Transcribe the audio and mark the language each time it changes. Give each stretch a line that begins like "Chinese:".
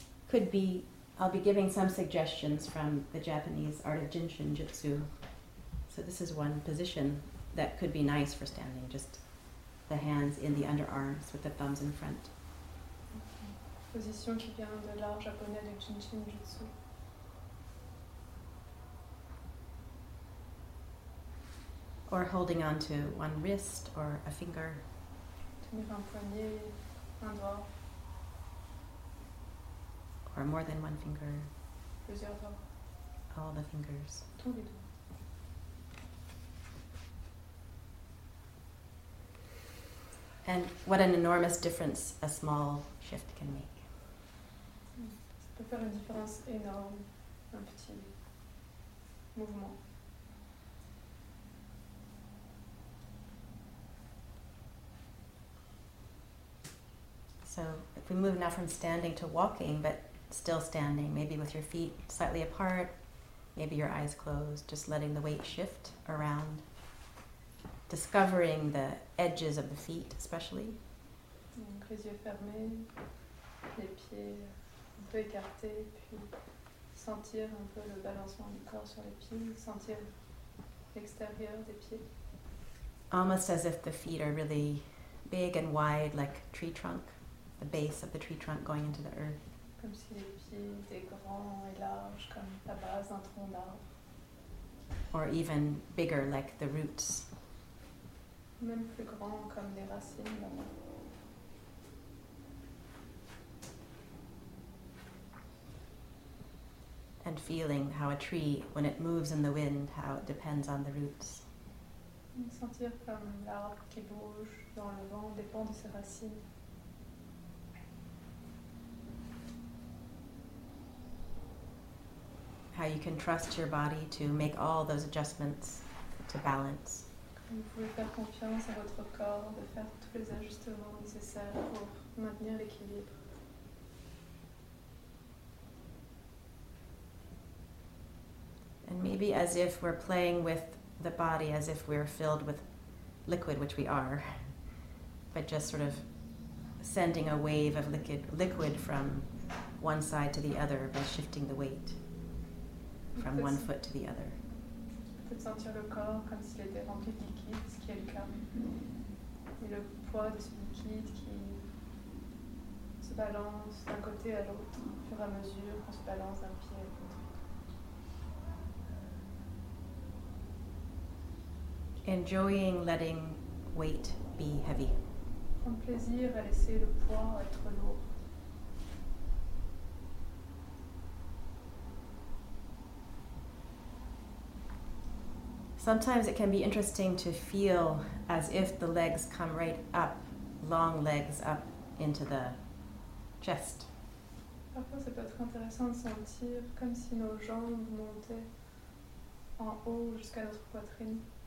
English: Could be, I'll be giving some suggestions from the Japanese art of Jinshin Jutsu. So this is one position that could be nice for standing, just the hands in the underarms with the thumbs in front.
French: Position qui vient de l'art japonais de Jinshin Jutsu.
English: Or holding on to one wrist or a finger.
French: Tenir un poignet. Un doigt.
English: Or more than one finger.
French: Plusieurs doigts.
English: All the fingers.
French: Tous les doigts.
English: And what an enormous difference a small shift can make.
French: Ça peut faire une différence énorme, un petit mouvement.
English: So if we move now from standing to walking, but still standing, maybe with your feet slightly apart, maybe your eyes closed, just letting the weight shift around, discovering the edges of the feet especially.
French: Donc les yeux fermés, les pieds un peu écartés, puis sentir un peu le balancement du corps sur les pieds, sentir l'extérieur des pieds.
English: Almost as if the feet are really big and wide, like tree trunk. The base of the tree trunk going into the earth.
French: Comme si les pieds étaient grands et larges, comme la base d'un tronc d'arbre.
English: Or even bigger, like the roots.
French: Même plus grand, comme les racines.
English: And feeling how a tree, when it moves in the wind, how it depends on the roots.
French: Sentir comme l'arbre qui bouge dans le vent dépend de ses racines.
English: How you can trust your body to make all those adjustments to balance.
French: Vous pouvez faire confiance à votre corps de faire tous les ajustements nécessaires pour maintenir l'équilibre.
English: And maybe as if we're playing with the body as if we're filled with liquid, which we are, but just sort of sending a wave of liquid from one side to the other by shifting the weight. From one foot to the other.
French: Peut-être sentir le corps comme s'il était rempli de liquide, ce qui est le cas. Et le poids de ce liquide qui se balance d'un côté à l'autre au fur et à mesure qu'on se balance d'un pied à l'autre.
English: Enjoying letting weight be heavy.
French: Prendre plaisir à laisser le poids être lourd.
English: Sometimes it can be interesting to feel as if the legs come right up, long legs up into the chest.
French: Parfois, ça peut être intéressant de sentir comme si nos jambes montaient en haut jusqu'à notre poitrine.